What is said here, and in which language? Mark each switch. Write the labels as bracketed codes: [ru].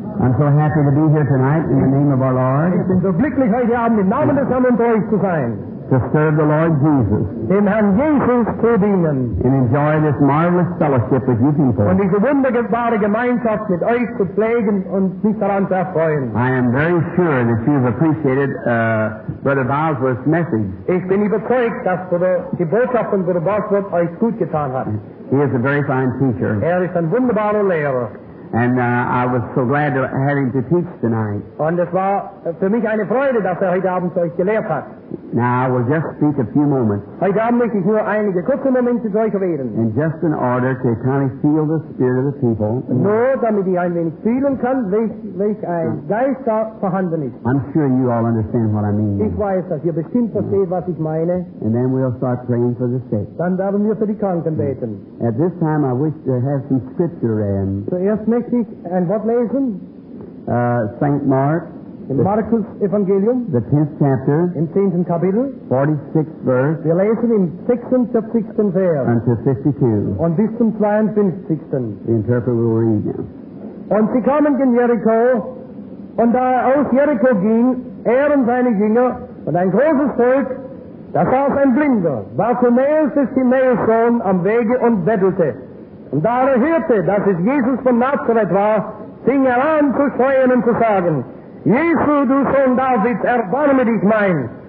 [en] I'm so happy to be here tonight in the name of our Lord. [de] Ich bin so glücklich, heute Abend im Namen des Herrn bei euch zu sein. [en] To serve the Lord Jesus. [de] Dem Herrn Jesus zu dienen. [en] And enjoy this marvelous fellowship with you people. [de] Und diese wunderbare Gemeinschaft mit euch zu pflegen und sich daran zu erfreuen. [en] I am very sure that you've appreciated Brother Bosworth's message. [de] Ich bin überzeugt, dass die Botschaft von Brother Bosworth euch gut getan hat. [en] He is a very fine teacher. [de] Ist ein wunderbarer Lehrer. [en] And I was so glad to have him to teach tonight. [de] Und es war für mich eine Freude, dass heute Abend zu euch gelehrt hat. [en] Now I will just speak a few moments. [de] Heute Abend möchte ich nur einige kurze Momente zu euch reden. [en] And just in order to kind of feel the spirit of the people. [de] Nur damit ich ein wenig fühlen kann, welch ein Geist da vorhanden ist. [en] I'm sure you all understand what I mean. [de] Ich weiß, dass ihr bestimmt versteht, was ich meine. [en] And then we'll start praying for the sick. [de] Dann werden wir für die Kranken beten. [en] At this time, I wish to have some scripture read. [de] Zuerst möchte ich ein Wort lesen. [en] St. Mark. [de] In Markus Evangelium, [en] the 10th chapter, [de] im 10. Kapitel, [en] 46 verse, [de] wir lesen im 56. Vers, [en] until 52. [de] Und bis zum 52. [en] The interpreter will read now. [de] Und sie kamen in Jericho, und da er aus Jericho ging, er und seine Jünger, und ein großes Volk, da saß ein Blinder, Bartimäus des Timäus Sohn, am Wege und bettelte. Und da er hörte, dass es Jesus von Nazareth war, fing er an zu schreien und zu sagen, Jesu, du Sohn Davids, erbarme dich mein.